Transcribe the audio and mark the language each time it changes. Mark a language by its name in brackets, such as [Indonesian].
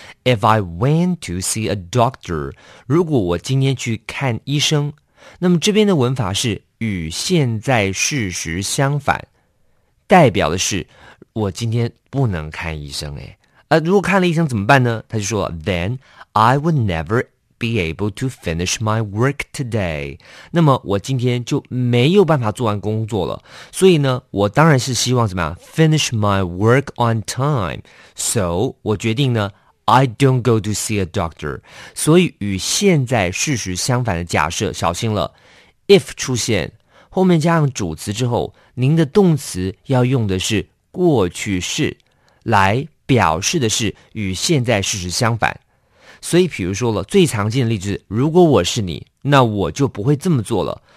[English] If I went to see a doctor, [Chinese] 如果我今天去看医生，那么这边的文法是与现在事实相反，代表的是我今天不能看医生诶。如果看了医生怎么办呢？他就说 [English] Then I would never be able to finish my work today. [Chinese] 那么我今天就没有办法做完工作了。所以呢，我当然是希望怎么样 [English] finish my work on time. So [Chinese] 我决定呢 [English] I don't go to see a doctor. [Chinese] 所以与现在事实相反的假设，小心了 If 出现后面加上主词之后，您的动词要用的是过去式来表示的是与现在事实相反。所以比如说了，最常见的例子，如果我是你，那我就不会这么做了。